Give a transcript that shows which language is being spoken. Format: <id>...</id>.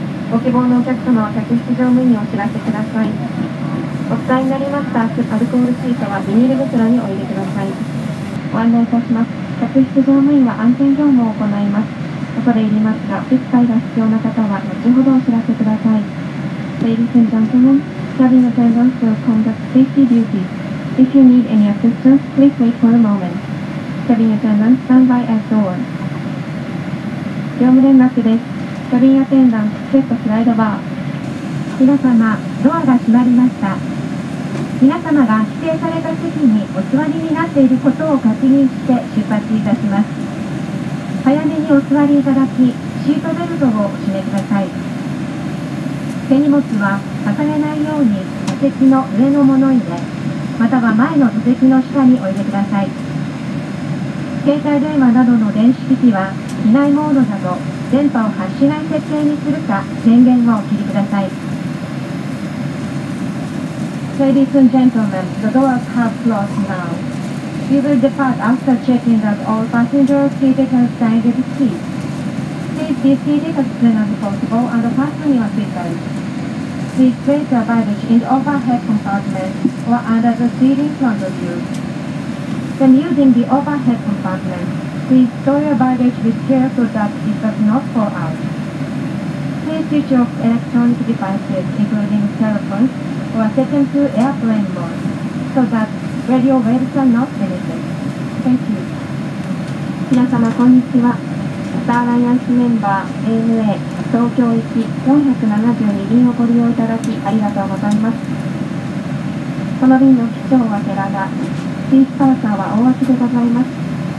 <ja>ご希望のお客様は客室乗務員にお知らせください。お使いになりましたアルコールシートはビニール袋にお入れください。ご案内いたします。客室乗務員は安全業務を行います。恐れ入りますがお手伝いが必要な方は後ほどお知らせください。</ja> <en>Ladies and gentlemen, cabin attendants will conduct safety duties. If you need any assistance, please wait for a moment. Cabin attendants, stand by at door.</en> <ja>業務連絡です。キャビンアテンダント、チケットスライドバー。皆様、ドアが閉まりました。皆様が指定された席にお座りになっていることを確認して出発いたします。早めにお座りいただき、シートベルトをお締めください。手荷物は重ねないように座席の上の物入れ、または前の座席の下にお入れください。携帯電話などの電子機器は機内モードなど、電波を発しない設定にするか、電源をお切りください。</ja> <en>Ladies and gentlemen, the doors have closed now. We will depart after checking that all passengers seated have stayed in the seat. Please be seated as soon as possible and fasten your seatbelts. Please place your baggage in the overhead compartment or under the seat in front of you. When using the overhead compartment,Please store your baggage with care so that it does not fall out. Please switch off electronic devices, including telephones, or set them to airplane mode, so that radio waves are not emitted. Thank you.</en> <ja>皆様こんにちは。スターアライアンスメンバー ANA 東京行き472便をご利用いただきありがとうございます。この便の機長は寺田、チーフパーサーは大脇でございます。</ja>